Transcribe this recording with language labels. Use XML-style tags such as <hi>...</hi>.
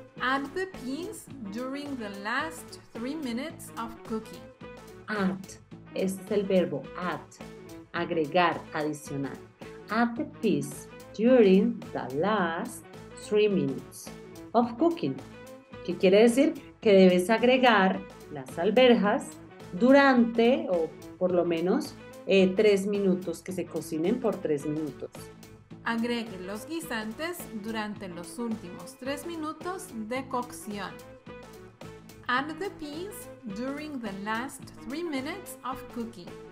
<en>Add the peas during the last 3 minutes of cooking.</en> <es>Add, este es el verbo add, agregar, adicionar.</es> <en>Add the peas during the last 3 minutes of cooking.</en> <es>¿Qué quiere decir? Que debes agregar las alverjas durante, o por lo menos, 3 minutos, que se cocinen por 3 minutos. Agregue los guisantes durante los últimos 3 minutos de cocción.</es> <en>Add the peas during the last 3 minutes of cooking.</en>